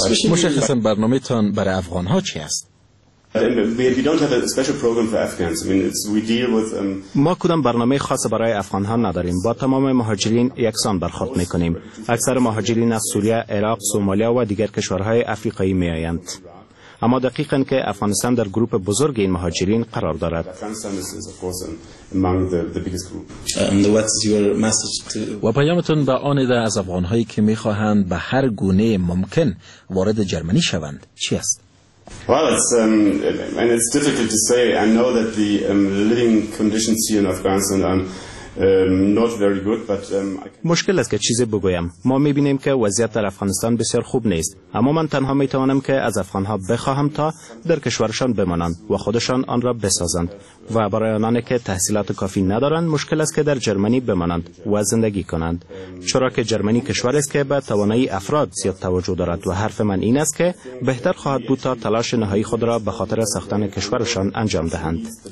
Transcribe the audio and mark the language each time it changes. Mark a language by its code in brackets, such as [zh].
[fa] مشخصا برنامه تان برای افغان ها چی است؟ [en] We don't have a special program for Afghans. I mean, it's we deal with. [fa] ما کدام برنامه خاص برای افغان‌ها نداریم. با تمام مهاجرین یکسان برخورد می‌کنیم. اکثر مهاجرین از سوریه، عراق، سومالی و دیگر کشورهای آفریقایی می‌آیند. اما دقیقاً که افغانستان در گروه بزرگ این مهاجرین قرار دارد. و پیامتون به آن ده از افغان‌هایی که می‌خواهند به هر گونه ممکن وارد جرمنی شوند چی است؟ [en] Well, it's difficult to say. I know that the living conditions here in Afghanistan are not very good, but [fa] مشکل است که چیزی بگویم. ما می‌بینیم که وضعیت در افغانستان بسیار خوب نیست. اما من تنها می‌توانم که از افغان‌ها بخواهم تا در کشورشان بمانند و خودشان آن را بسازند. و برای آنانی که تحصیلات کافی ندارند، مشکل است که در جرمنی بمانند و زندگی کنند. چرا که جرمنی کشور است که به توانایی افراد زیاد توجه دارد و حرف من این است که بهتر خواهد بود تا تلاش نهایی خود را به خاطر ساختن کشورشان انجام دهند.